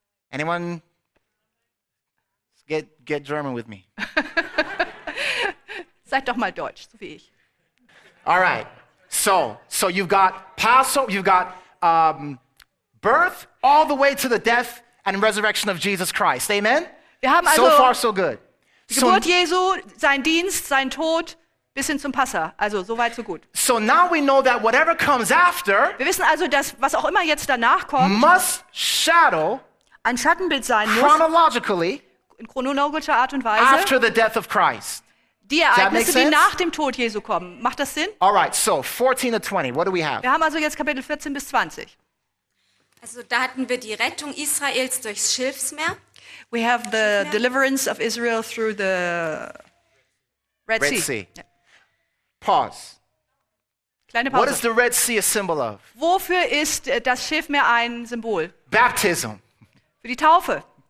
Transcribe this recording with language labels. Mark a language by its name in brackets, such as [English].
[English] Anyone get German with me? [German] Seid doch mal Deutsch, so wie ich. [English] All right. So you've got Passover, you've got birth all the way to the death and resurrection of Jesus Christ. Amen? [German] Wir haben also [English] so far, so good. [German] Die Geburt Jesu, sein Dienst, sein Tod, bis hin zum Passa. Also so weit, so gut. [English] So now we know that whatever comes after, [German] wir wissen also, dass was auch immer jetzt danach kommt, [English] must shadow, [German] ein Schattenbild sein muss, [English] chronologically, [German] in chronologischer Art und Weise, [English] after the death of Christ. [German] Die Ereignisse, die nach dem Tod Jesu kommen. Macht das Sinn? [English] All right, so 14 to 20, what do we have? [German] Wir haben also jetzt Kapitel 14 bis 20. Also da hatten wir die Rettung Israels durchs Schilfsmeer. [English] We have the deliverance of Israel through the Red Sea. Pause. [German] Kleine Pause. [English] What is the Red Sea a symbol of? [German] Wofür ist das Schilfmeer ein Symbol? [English] Baptism. [German] Für die Taufe.